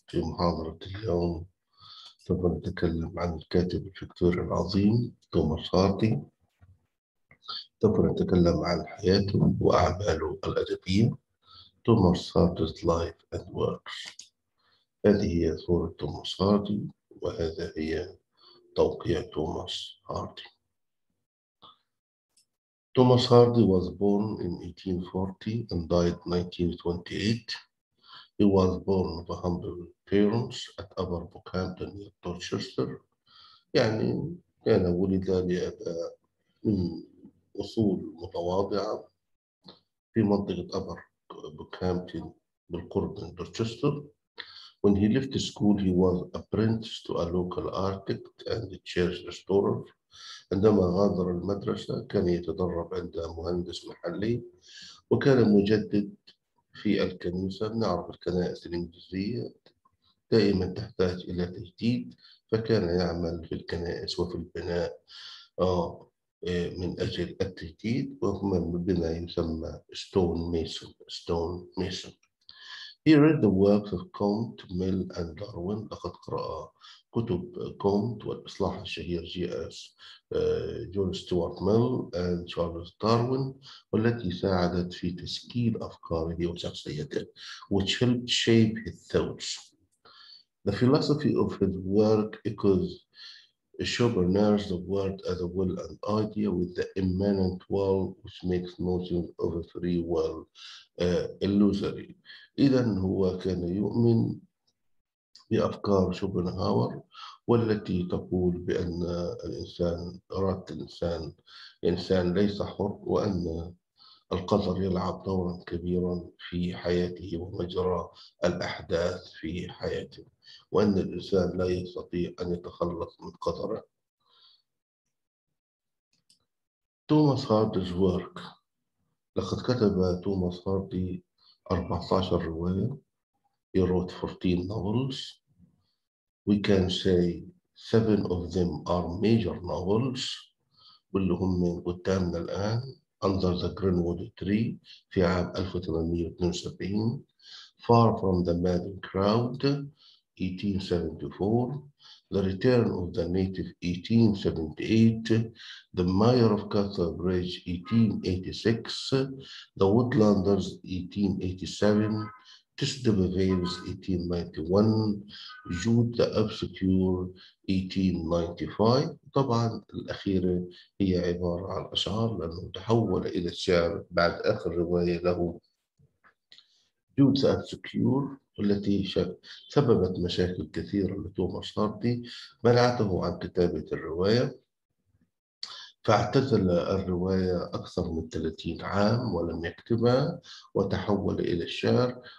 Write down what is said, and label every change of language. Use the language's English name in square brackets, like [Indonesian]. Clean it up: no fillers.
[Arabic] في محاضرة اليوم سوف نتكلم عن الكاتب الفكتوري العظيم توماس هاردي. سوف نتكلم عن حياته وأعماله الأدبية. [English] Thomas Hardy's life and works. [Arabic] هذه هي صورة توماس هاردي وهذا هي توقيع توماس هاردي. [English] Thomas Hardy was born in 1840 and died 1928. He was born of humble parents at Upper Bookhampton near Dorchester. [Arabic] يعني كان ولد لأباء من أصول متواضعة في منطقة Upper Bookhampton بالقرب من Dorchester. [English] When he left school, he was apprenticed to a local architect and a church restorer. [Arabic] عندما غادر المدرسة كان يتدرب عند مهندس محلي وكان مجدد في الكنيسة. نعرف الكنائس الإنجليزية دائما تحتاج إلى تجديد، فكان يعمل في الكنائس وفي البناء من أجل التجديد، وهم بما يسمى stone mason. [English] He read the works of Comte, Mill and Darwin. [Arabic] لقد قرأ كتب كومت والإصلاح الشهير جون ستوارت ميل and تشارلز داروين، والتي ساعدت في تشكيل أفكاره وشخصيته، [English] which helped shape his thoughts. The philosophy of his work echoes Schopenhauer's the world as a will and idea with the immanent will which makes notion of a free will illusory. [Arabic] إذن هو كان يؤمن بأفكار شوبنهاور والتي تقول بأن الإنسان إرادة الإنسان ليس حر، وأن القدر يلعب دورا كبيرا في حياته ومجرى الأحداث في حياته، وأن الإنسان لا يستطيع أن يتخلص من قدره. [English] Thomas Hardy's work. [Arabic] لقد كتب توماس هاردي 14 رواية. [English] He wrote 14 novels. We can say 7 of them are major novels. [Arabic] واللي هم قدامنا الآن [English] Under the Greenwood Tree في عام 1872, Far from the Madding Crowd 1874, The Return of the Native 1878, The Mayor of Casterbridge 1886, The Woodlanders 1887, Tess the Bavarians 1891, Jude the Obscure 1895. [Arabic] طبعا الأخيرة هي عبارة عن أشعار لأنه تحول إلى الشعر بعد آخر رواية له Jude the Obscure، والتي سببت مشاكل كثيرة لتوماس هاردي، منعته عن كتابة الرواية، فاعتزل الرواية أكثر من 30 عام ولم يكتبها وتحول إلى الشعر.